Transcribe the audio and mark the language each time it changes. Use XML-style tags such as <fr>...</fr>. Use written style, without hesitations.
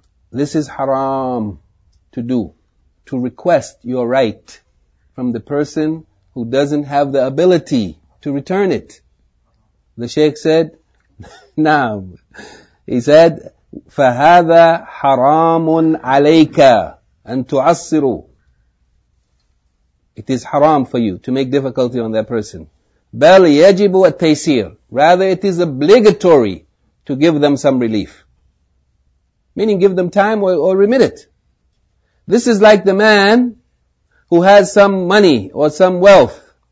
<en>This is haram to do. To request your right from the person who doesn't have the ability to return it. The Shaykh said, Naam. He said,</en> <ar>فَهَذَا حَرَامٌ عَلَيْكَ أَن تُعَصِّرُ.</ar> <en>It is haram for you to make difficulty on that person.</en> <ar>بَلْ يَجِبُ التَّيْسِيرُ.</ar> <en>Rather, it is obligatory to give them some relief. Meaning give them time or remit it. This is like the man who has some money or some wealth.</en>